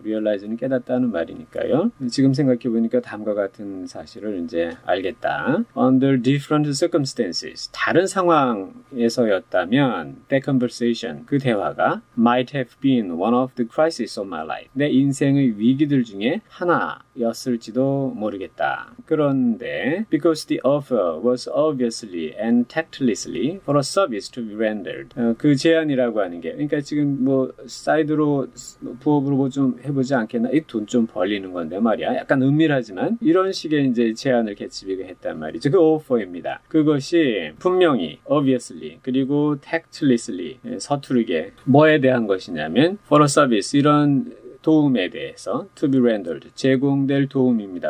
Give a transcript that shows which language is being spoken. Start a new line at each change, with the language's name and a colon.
Korean: Realize는 깨닫다는 말이니까요. 지금 생각해 보니까 다음과 같은 사실을 이제 알겠다.
English: Under different circumstances,
Korean: 다른 상황에서였다면
English: that conversation,
Korean: 그 대화가
English: might have been one of the crises of my life.
Korean: 내 인생의 위기들 중에 하나였을지도 모르겠다. 그런데
English: because the offer was obviously and tactlessly for a service to be rendered.
Korean: 그 제안이라고 하는 게, 그러니까 지금 뭐 사이드로 부업으로 뭐좀 해보지 않겠나? 이돈좀 벌리는 건데 말이야. 약간 은밀하지만 이런 식의 이제 제안을 개츠비가 했단 말이죠. 그 오퍼입니다. 그것이 분명히 obviously 그리고 tactlessly 서투르게 뭐에 대한 것이냐면
English: for a service
Korean: 이런 도움에 대해서
English: to be rendered
Korean: 제공될 도움입니다.